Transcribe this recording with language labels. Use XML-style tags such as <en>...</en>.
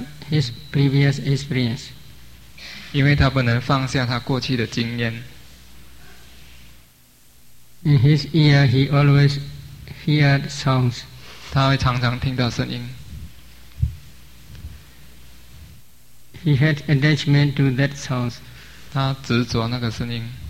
<en>his previous experience.</en> <zh>因为他不能放下他过去的经验.</zh> <en>In his ear, he always heard sounds.</en> <zh>他会常常听到声音.</zh> <en>He had attachment to that sounds.</en> <zh>他执着那个声音.</zh>